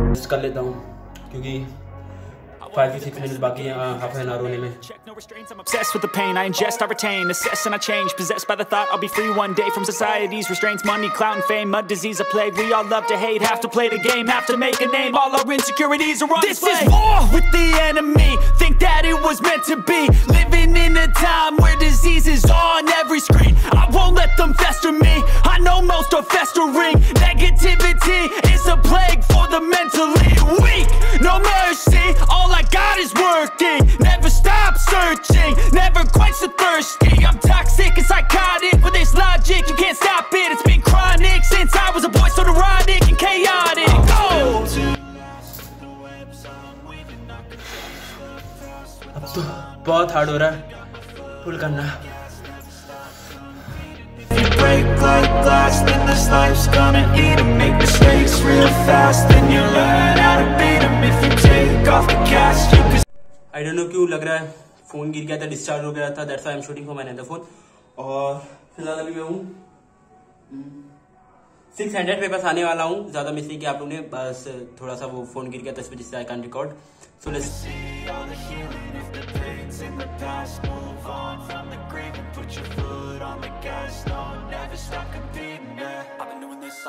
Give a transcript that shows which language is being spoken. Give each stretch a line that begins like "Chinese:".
Hindi: कर लेता हूँ क्योंकि
English: 5 to 6 minutes
Hindi: बाकी हैं हाफ एन आवर होने में।
English: No restraints, I'm obsessed with the pain. I ingest, I retain, assess, and I change. Possessed by the thought I'll be free one day from society's restraints. Money, clout, and fame, a disease, a plague. We all love to hate, have to play the game, have to make a name. All our insecurities are on display. This is war with the enemy. Think that it was meant to be. Living in a time where disease is on every screen. I won't let them fester me. I know most are festering. Negativity is a plague for the mentally weak. No mercy, all I got is working. Never stop searching, never quite so thirsty. I'm toxic and psychotic with this logic. You can't stop it. It's been chronic since I was a boy, so neurotic and chaotic. Go!
Hindi: अब तो बहुत hard हो रहा है पुल करना।
English: Break like glass, then this life's gonna eat 'em. Make mistakes real fast, then you learn how to beat 'em. If you take off the cast, you can. I don't know
Hindi: क्यों लग रहा है phone गिर गया था,
English: Discharge हो गया था, that's I am shooting for my other phone.
Hindi: और फिलहाल अभी मैं हूँ 600 पेपर्स आने वाला हूँ, ज़्यादा मिस नहीं किया आप लोगों ने, बस थोड़ा सा वो फ़ोन गिर गया था इस वजह से
English: I can record.